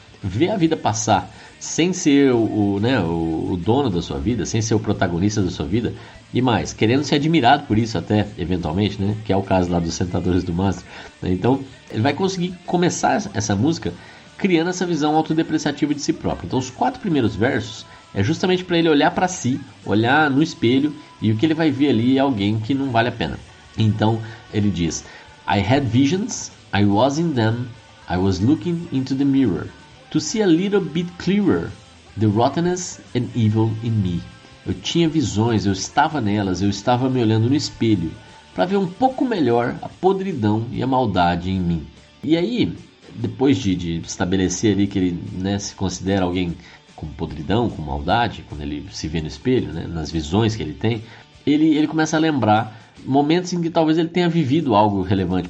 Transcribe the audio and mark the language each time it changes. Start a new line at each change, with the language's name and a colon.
Portuguese: ver a vida passar sem ser o dono da sua vida, sem ser o protagonista da sua vida, e mais, querendo ser admirado por isso até, eventualmente, né? Que é o caso lá dos Sentadores do Mastro. Então, ele vai conseguir começar essa música criando essa visão autodepreciativa de si próprio. Então, os quatro primeiros versos é justamente para ele olhar para si, olhar no espelho, e o que ele vai ver ali é alguém que não vale a pena.
English: Então, ele diz: I had visions, I was in them, I was looking into the mirror, to see a little bit clearer the rottenness and evil in me.
Portuguese: Eu tinha visões, eu estava nelas, eu estava me olhando no espelho, para ver um pouco melhor a podridão e a maldade em mim. E aí, depois de estabelecer ali que ele, né, se considera alguém com podridão, com maldade, quando ele se vê no espelho, né, nas visões que ele tem, ele começa a lembrar momentos em que talvez ele tenha vivido algo relevante.